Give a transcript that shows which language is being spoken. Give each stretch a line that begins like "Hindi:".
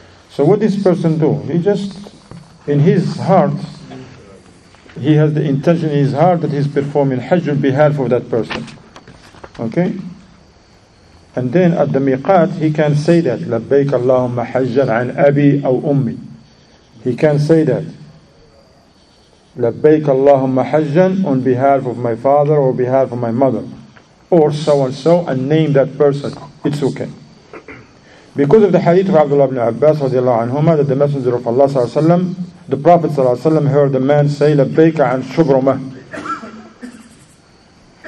English: So what this person do? He just, in his heart, he has the intention in his heart that he's performing Hajj on behalf of that person. Okay? And then at the Miqat, he can say that,
Arabic: لبيك اللهم حجا عن أبي أو أمي.
English: He can say that,
Arabic: لَبَّيْكَ اللَّهُمَّ حَجًّا
English: on behalf of my father or behalf of my mother, or so and so, and name that person. It's okay. Because of the hadith of Abdullah ibn Abbas radiallahu anhuma, that the Messenger of Allah sallallahu alayhi wa sallam, the Prophet sallallahu alayhi wa sallam, heard a man say,
Arabic: لَبَّيْكَ عَنْ شُبْرُمَهُ.